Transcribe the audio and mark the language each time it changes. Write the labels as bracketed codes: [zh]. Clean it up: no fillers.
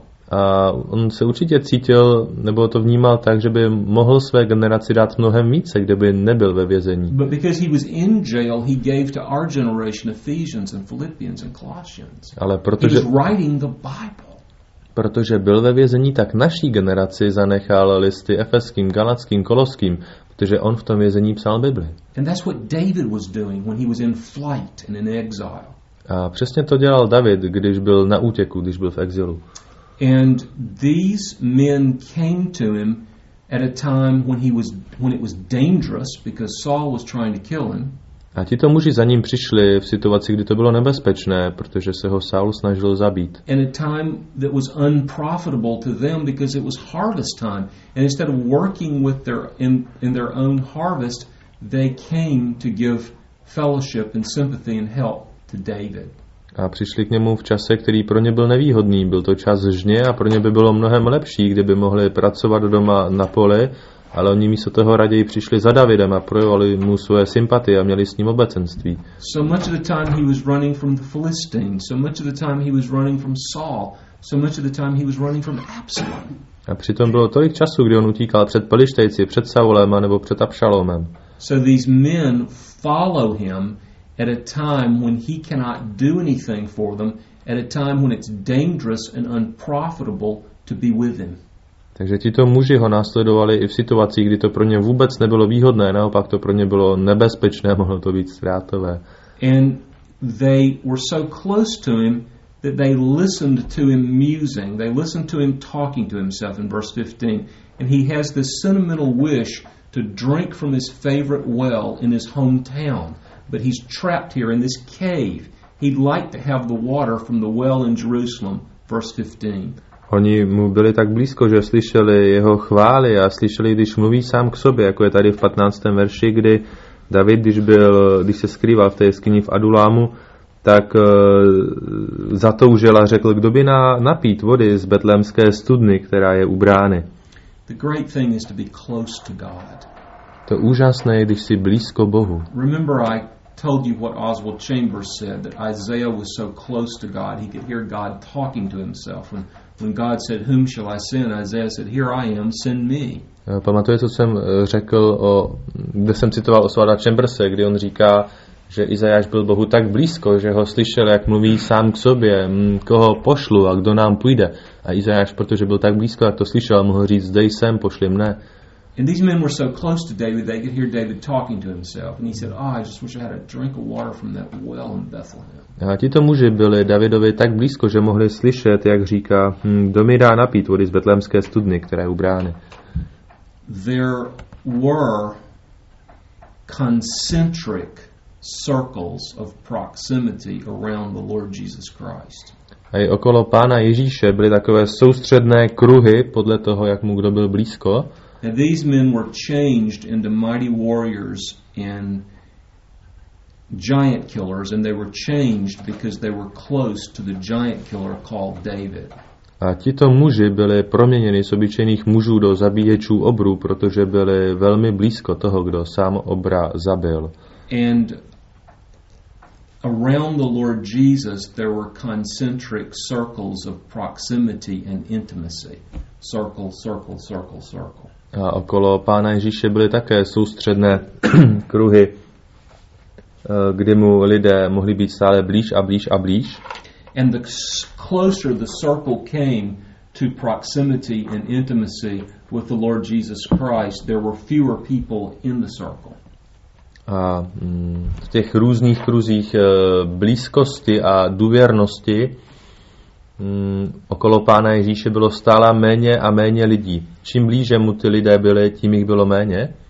[cs] A on se určitě cítil, nebo to vnímal tak, že by mohl své generaci dát mnohem více, kdyby nebyl ve vězení. [en] But because he was in jail, he gave to our generation Ephesians and Philippians and Colossians. [cs] Ale protože [en] he was writing the Bible. [cs] Protože byl ve vězení, tak naší generaci zanechal listy Efeským, Galackým, Koloským, protože on v tom vězení psal Bibli. [en] And that's what David was doing when he was in flight and in exile. [cs] A přesně to dělal David, když byl na útěku, když byl v exilu. [en] And these men came to him at a time when it was dangerous because Saul was trying to kill him. [cs] A tito muži za ním přišli v situaci, kdy to bylo nebezpečné, protože se ho Saul snažil zabít. [en] In a time that was unprofitable to them because it was harvest time, and instead of working with their in their own harvest, they came to give fellowship and sympathy and help to David. [cs] A přišli k němu v čase, který pro ně byl nevýhodný. Byl to čas žně a pro ně by bylo mnohem lepší, kdyby mohli pracovat doma na poli, ale oni místo toho raději přišli za Davidem a projevovali mu svoje sympatie a měli s ním obecenství. [en] So much of the time he was running from the Philistines, so much of the time he was running from Saul, so much of the time he was running from Absalom. [cs] A přitom bylo tolik času, kdy on utíkal před Pelištejci, před Saulem a nebo před Abšalomem. [en] So these men follow him at a time when he cannot do anything for them, at a time when it's dangerous and unprofitable to be with him. [cs] Takže tito muži ho následovali i v situaci, kdy to pro ně vůbec nebylo výhodné, naopak to pro ně bylo nebezpečné, mohlo to být ztrátové. [en] And they were so close to him that they listened to him musing. They listened to him talking to himself in verse 15. And he has this sentimental wish to drink from his favorite well in his hometown. But he's trapped here in this cave. He'd like to have the water from the well in Jerusalem, verse 15. [cs] Oni mu byli tak blízko, že slyšeli jeho chvály a slyšeli, když mluví sám k sobě, jako je tady v 15. verši, kdy David, když se skrýval v té jeskyni v Adulámu, tak zatoužil a řekl, kdo by napít vody z betlémské studny, která je u brány. [en] The great thing is to be close to God. [cs] To úžasné je, když jsi blízko Bohu. [en] Remember, I told you what Oswald Chambers said, that Isaiah was so close to God, he could hear God talking to himself. When God said, "Whom shall I send?" Isaiah said, "Here I am, send me." [cs] Pamatuje, co jsem řekl o, kde jsem citoval Oswalda Chambersa, kdy on říká, že Izajáš byl Bohu tak blízko, že ho slyšel, jak mluví sám k sobě, koho pošlu a kdo nám půjde. A Izajáš, protože byl tak blízko, jak to slyšel, mohl říct, zde jsem, pošli mne. [en] And these men were so close to David, they could hear David talking to himself. And he said, "Oh, I just wish I had a drink of water from that well in Bethlehem." [cs] A tito muži byli Davidovi tak blízko, že mohli slyšet, jak říká, kdo mi dá napít vody z betlémské studny, která je u brány. [en] There were concentric circles of proximity around the Lord Jesus Christ. [cs] A i okolo Pána Ježíše byly takové soustředné kruhy podle toho, jak mu kdo byl blízko. [en] And these men were changed into mighty warriors and giant killers, and they were changed because they were close to the giant killer called David. [cs] A tito muži byli proměněni z obyčejných mužů do zabíječů obrů, protože byli velmi blízko toho, kdo sám obra zabil. [en] And around the Lord Jesus there were concentric circles of proximity and intimacy. Circle, circle, circle, circle. [cs] A okolo Pána Ježíše byly také soustředné kruhy, kde mu lidé mohli být stále blíž a blíž a blíž. [en] And the closer the circle came to proximity and intimacy with the Lord Jesus Christ, there were fewer people in the circle. [cs] A v těch různých kruzích blízkosti a důvěrnosti okolo Pána Ježíše bylo stále méně a méně lidí. Čím blíže mu ty lidé byli, tím jich bylo méně.